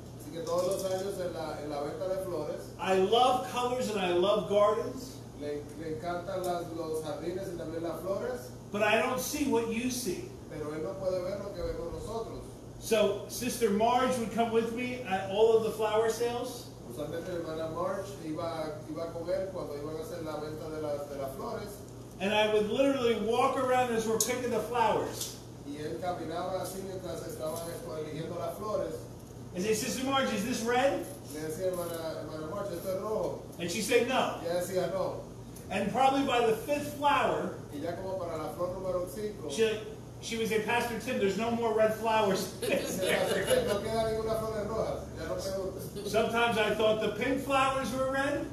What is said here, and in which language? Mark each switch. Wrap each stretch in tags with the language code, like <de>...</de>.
<es>así que todos los años en la venta de flores,</es> <en>I love colors and I love gardens.</en> <es>Le encantan los jardines y también las flores.</es> <en>But I don't see what you see.</en> <es>Pero él no puede ver lo que vemos nosotros.</es> <en>So Sister Marge would come with me at all of the flower sales.</en> <es>Usualmente hermana Marge iba con él cuando iban a hacer la venta de las flores.</es> <en>And I would literally walk around as we're picking the flowers.</en> <es>Y él caminaba así mientras estaban eligiendo las flores.</es> <en>And he said, Sister Marge, is this red?</en> <es>Le decía, hermana Marge, esto es rojo.</es> <en>And she said no.</en> <es>Y ella decía no.</es> <en>And probably by the fifth flower,</en> <es>y ya como para la flor número cinco,</es> <en>she would say, Pastor Tim, there's no more red flowers. Sometimes I thought the pink flowers were red.</en>